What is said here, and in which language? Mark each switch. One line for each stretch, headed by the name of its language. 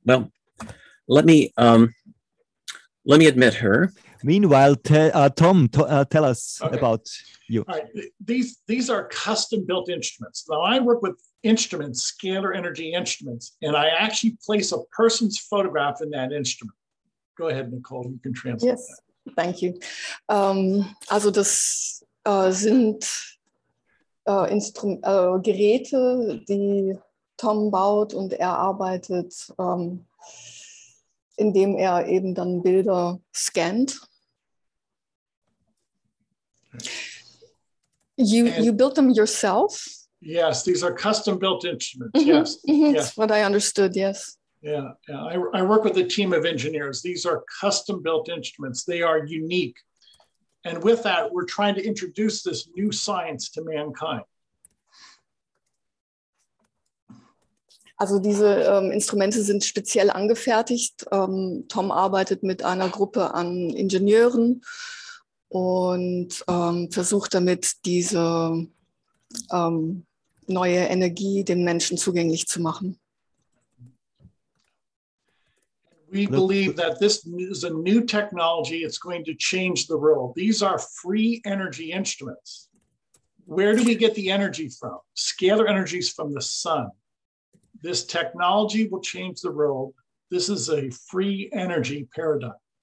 English: Well, let me admit her. Meanwhile, tell us about you. All right. These are custom-built instruments. Now, I work with instruments, scalar energy instruments, and I actually place a person's photograph in that instrument. Go ahead, Nicole, you can translate. Yes, thank you.
German: Also das sind Geräte, die Tom baut, und er arbeitet, indem er eben dann Bilder scannt.
English: You built them yourself? Yes, these are custom built instruments. Mm-hmm. Yes. Mm-hmm. That's what I understood, yes. Yeah, yeah. I work with a team of engineers. These are custom built instruments. They are unique. And with that, we're trying to introduce this new science to mankind.
German: Also diese Instrumente sind speziell angefertigt. Tom arbeitet mit einer Gruppe an Ingenieuren und versucht damit, diese neue Energie den Menschen zugänglich zu machen.
English: We believe that this is a new technology. It's going to change the world. These are free energy instruments. Where do we get the energy from? Scalar energy is from the sun. This technology will change the world. This is a free energy paradigm.